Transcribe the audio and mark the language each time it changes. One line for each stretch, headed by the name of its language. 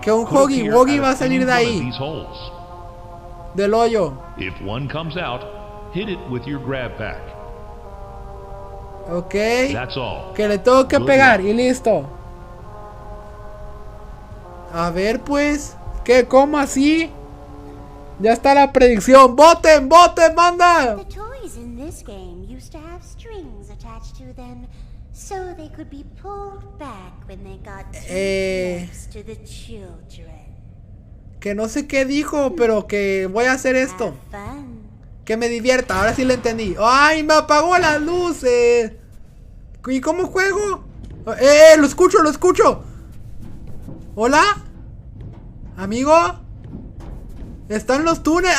Spanish: Que un huggy wuggy va a salir de ahí. Del hoyo.
English: If one comes out, hit it with your grab pack. Ok, that's all.
Spanish: Que le tengo que pegar y listo. A ver pues, ¿qué? ¿Cómo así? Ya está la predicción. ¡Voten, manda!
English: The toys in this game used to have strings attached to them, so they could be pulled back when they got close to the children.
Spanish: Que no sé qué dijo, pero que voy a hacer esto. Que me divierta, ahora sí lo entendí. ¡Ay, me apagó las luces! ¿Y cómo juego? ¡Lo escucho! ¿Hola? ¿Amigo? ¿Están los túneles?